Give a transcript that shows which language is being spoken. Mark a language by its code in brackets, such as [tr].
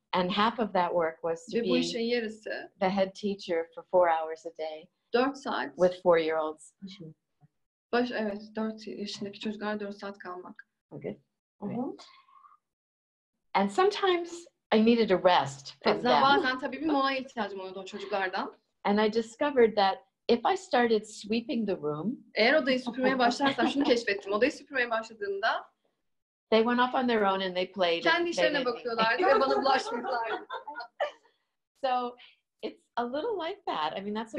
[en] And half of that work was to be the head teacher for 4 hours a day. [tr] 4 saat. [en] With 4-year-olds. [tr] Baş, evet, 4 yaşındaki çocuklara 4 saat kalmak. [en] Okay. Mm-hmm. And sometimes I needed a rest from them. [tr] Bazen tabii bir mola ihtiyacım oldu o çocuklardan. [en] And I discovered that if I started sweeping the room, [tr] eğer odayı süpürmeye başlarsam şunu keşfettim. Odayı süpürmeye başladığımda [en] they went off on their own and they played. [tr] Kendi işlerine bakıyorlardı ve bana bulaşmışlardı. [en] So it's a little like that. I mean, that's a